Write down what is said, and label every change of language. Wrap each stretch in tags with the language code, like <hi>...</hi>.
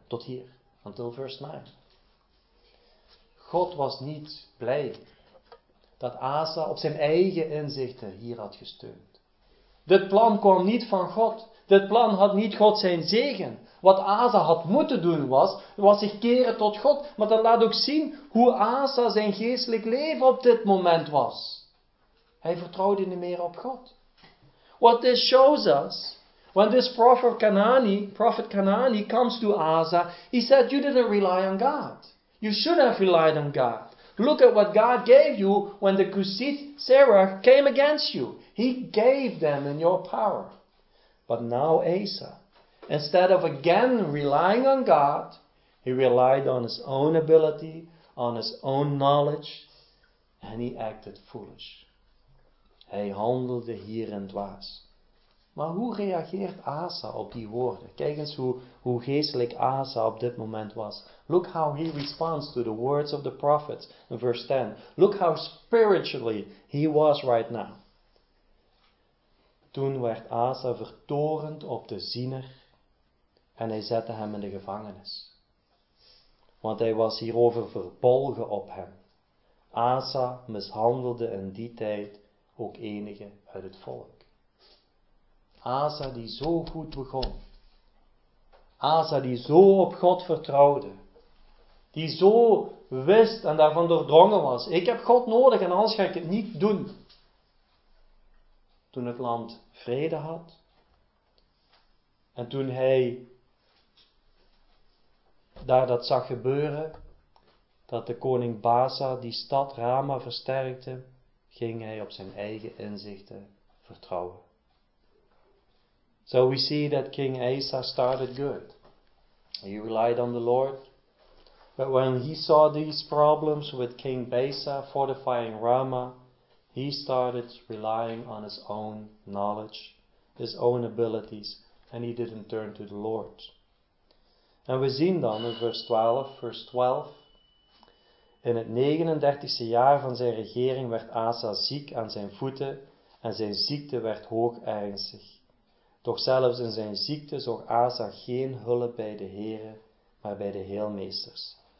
<nl>Tot hier, until vers 9. God was niet blij dat Asa op zijn eigen inzichten hier had gesteund. Dit plan kwam niet van God. Dit plan had niet God zijn zegen. Wat Asa had moeten doen was zich keren tot God. Maar dat laat ook zien hoe Asa zijn geestelijk leven op dit moment was. Hij vertrouwde niet meer op God.</nl> <en>What this shows us, when this prophet Kanani comes to Asa, he said, you didn't rely on God. You should have relied on God. Look at what God gave you when the Kusit Serach came against you. He gave them in your power. But now Asa, instead of again relying on God, he relied on his own ability, on his own knowledge, and he acted foolish.</en> <nl>Hij handelde hierin dwaas. Maar hoe reageert Asa op die woorden? Kijk eens hoe geestelijk Asa op dit moment was.</nl> <en>Look how he responds to the words of the prophets in verse 10. Look how spiritually he was right now.</en> <nl>Toen werd Asa vertorend op de ziener en hij zette hem in de gevangenis. Want hij was hierover verbolgen op hem. Asa mishandelde in die tijd ook enige uit het volk. Asa die zo goed begon. Asa die zo op God vertrouwde. Die zo wist en daarvan doordrongen was. Ik heb God nodig en anders ga ik het niet doen. Toen het land vrede had. En toen hij daar dat zag gebeuren. Dat de koning Baasa die stad Rama versterkte. Ging hij op zijn eigen inzichten vertrouwen.</nl> <en>So we see that King Asa started good. He relied on the Lord. But when he saw these problems with King Baasa fortifying Rama, he started relying on his own knowledge, his own abilities, and he didn't turn to the Lord.</en> <nl>En we zien dan in vers 12, in het 39e jaar van zijn regering werd Asa ziek aan zijn voeten en zijn ziekte werd hoog ernstig. Toch zelfs in zijn ziekte zocht Asa geen hulp bij de Heere, maar bij de Heelmeesters.</nl>